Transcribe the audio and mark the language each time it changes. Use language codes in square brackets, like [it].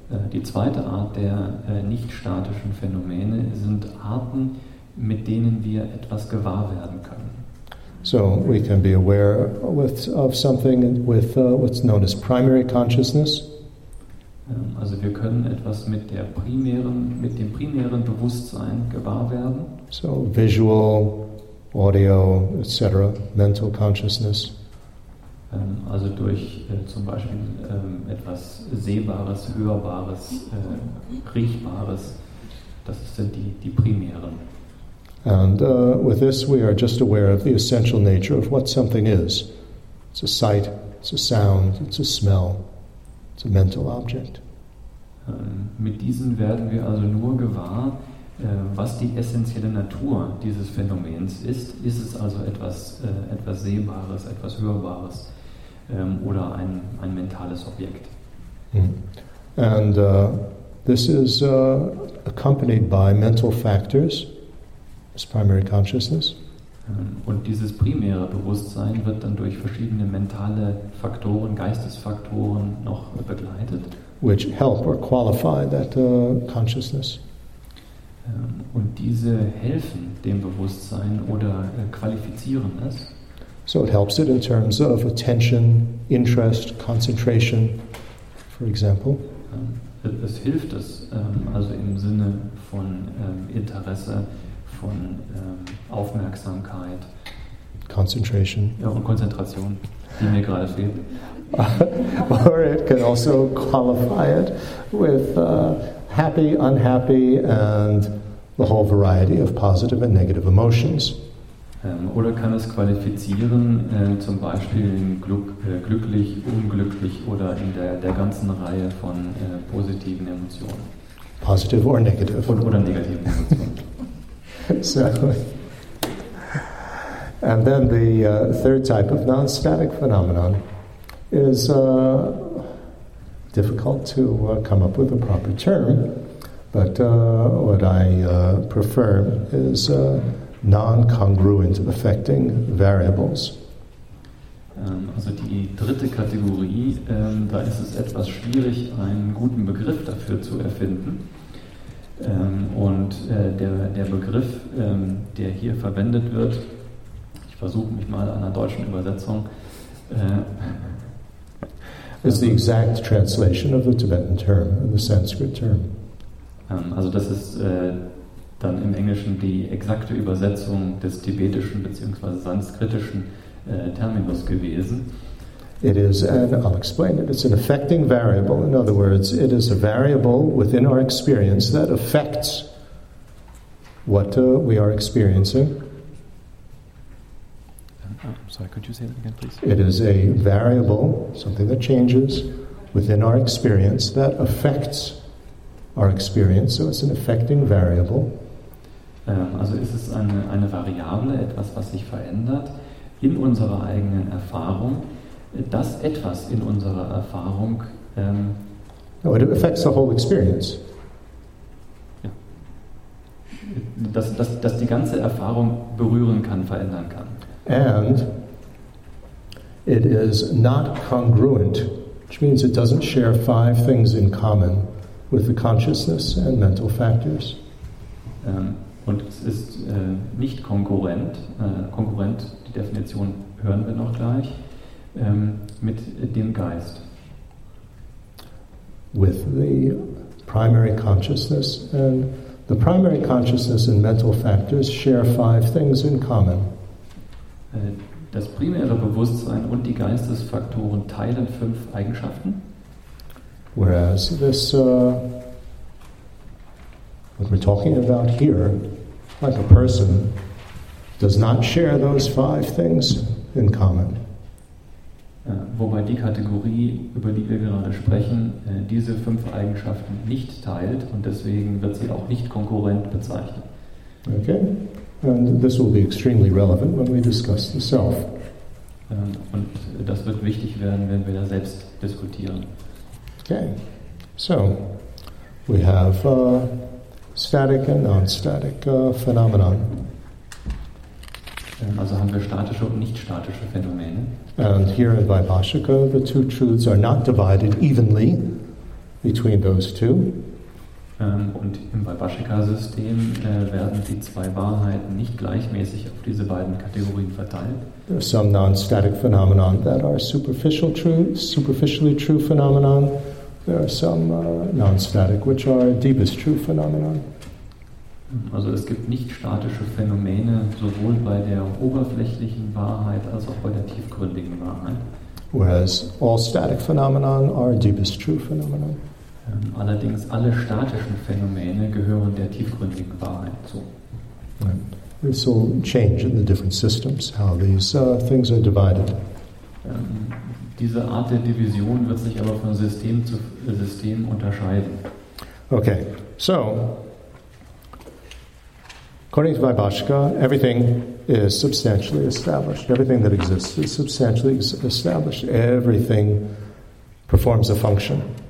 [de] Die zweite Art der nicht statischen Phänomene sind Arten, mit denen wir etwas gewahr werden können. [en] So we can be aware of something with what's known as primary consciousness. [de] Also wir können etwas mit dem primären Bewusstsein gewahr werden. [en] So visual, audio, etc., mental consciousness. [de] Also durch zum Beispiel etwas Sehbares, Hörbares, Riechbares, das sind die primären. [en] And with this we are just aware of the essential nature of what something is. It's a sight, it's a sound, it's a smell, it's a mental object. [de] Mit diesen werden wir also nur gewahr, was die essentielle Natur dieses Phänomens ist. Ist es also etwas Sehbares, etwas Hörbares oder ein mentales Objekt? [en] And this is accompanied by mental factors. This primary consciousness. [de] Und dieses primäre Bewusstsein wird dann durch verschiedene mentale Faktoren, Geistesfaktoren noch begleitet. [en] Which help or qualify that consciousness. [de] Und diese helfen dem Bewusstsein oder qualifizieren es. [en] So it helps it in terms of attention, interest, concentration, for example. [de] Es hilft es, also im Sinne von Interesse, von Aufmerksamkeit, [en] Concentration. [de] Ja, und Konzentration, die mir gerade fehlt. [en] Or it can also qualify it with happy, unhappy and the whole variety of positive and negative emotions. [de] Oder kann es qualifizieren, zum Beispiel in glücklich, unglücklich oder in der ganzen Reihe von positiven Emotionen. [en] Positive or negative. [de] Oder negative Emotionen. [en] So, and then the third type of non-static phenomenon is difficult to come up with a proper term, but what I prefer is non-congruent affecting variables. [de] Also die dritte Kategorie, da ist es etwas schwierig, einen guten Begriff dafür zu erfinden. Und der Begriff, der hier verwendet wird, ich versuche mich mal an einer deutschen Übersetzung. [en] Is the exact translation of the Tibetan term, the Sanskrit term. [de] Also das ist dann im Englischen die exakte Übersetzung des tibetischen bzw. sanskritischen Terminus gewesen. [en] It is, and I'll explain it, it's an affecting variable. In other words, it is a variable within our experience that affects what we are experiencing. Sorry, could you say that again, please? It is a variable, something that changes within our experience that affects our experience. So it's an affecting variable. [de] Also ist es eine Variable, etwas, was sich verändert in unserer eigenen Erfahrung, dass etwas in unserer Erfahrung... [en] No, it affects the whole experience. [de] Ja. Dass die ganze Erfahrung berühren kann, verändern kann. [en] And it is not congruent, which means it doesn't share five things in common with the consciousness and mental factors. [de] Und es ist nicht kongruent, kongruent, die Definition hören wir noch gleich, mit dem Geist. [en] With the primary consciousness. And the primary consciousness and mental factors share five things in common. [de] Das primäre Bewusstsein und die Geistesfaktoren teilen fünf Eigenschaften. [en] Whereas this, what we're talking about here, like a person, does not share those five things in common. [de] Wobei die Kategorie, über die wir gerade sprechen, diese fünf Eigenschaften nicht teilt und deswegen wird sie auch nicht konkurrent bezeichnet. [en] Okay. And this will be extremely relevant when we discuss the self. [de] Und das wird wichtig werden, wenn wir da selbst diskutieren. [en] Okay. So, we have static and non-static phenomenon. [de] Also haben wir statische und nicht statische Phänomene. [en] And here in Vaibhashika, the two truths are not divided evenly between those two. [de] Und im Vaibhashika-System werden die zwei Wahrheiten nicht gleichmäßig auf diese beiden Kategorien verteilt. [en] There are some non-static phenomena that are superficial truths, superficially true phenomena. There are some non-static, which are deepest true phenomena. [de] Also es gibt nicht statische Phänomene, sowohl bei der oberflächlichen Wahrheit als auch bei der tiefgründigen Wahrheit. [en] Whereas all static phenomena are deepest true phenomena. [de] Allerdings alle statischen Phänomene gehören der tiefgründigen Wahrheit zu. [en] Right. So change in the different systems how these things are divided. [de] Diese Art der Division wird sich aber von System zu System unterscheiden. [en] Okay, so according to Vaibhashika, everything is substantially established. Everything that exists is substantially established. Everything performs a function.